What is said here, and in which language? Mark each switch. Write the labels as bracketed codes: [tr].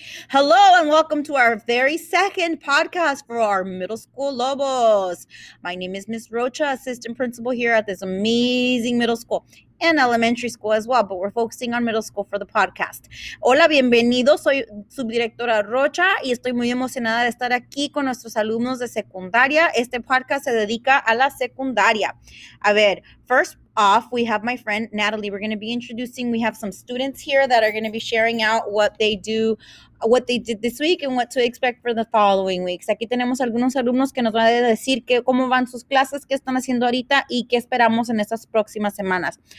[en] Hello and welcome to our very second podcast for our middle school Lobos. My name is Miss Rocha, assistant principal here at this amazing middle school and elementary school as well, but we're focusing on middle school for the podcast. [es] Hola, bienvenido. Soy subdirectora Rocha y estoy muy emocionada de estar aquí con nuestros alumnos de secundaria. Este podcast se dedica a la secundaria. A ver, [en] first off, we have my friend Natalie. We're going to be introducing. We have some students here that are going to be sharing out what they do, what they did this week, and what to expect for the following weeks. [es] Aquí tenemos algunos alumnos que nos van a decir que cómo van sus clases, qué están haciendo ahorita, y qué esperamos en estas próximas semanas.